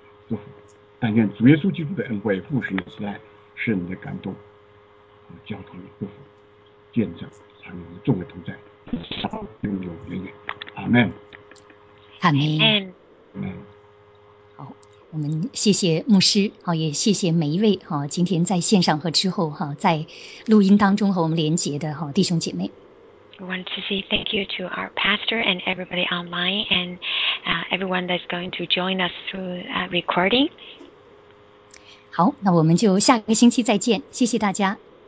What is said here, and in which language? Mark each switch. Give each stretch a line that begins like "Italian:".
Chinese: 祝福，但愿主耶稣基督的恩惠、父神的慈爱、圣灵的感动，教导你、祝福、见证，常与众人同在，永永远远。阿门。阿门。阿门。好，我们谢谢牧师，好，也谢谢每一位哈，今天在线上和之后哈，在录音当中和我们连结的哈弟兄姐妹。
English: We want to say thank you to our pastor and everybody online and everyone that's going to join us through recording.
Chinese: 好，那我们就下个星期再见，谢谢大家。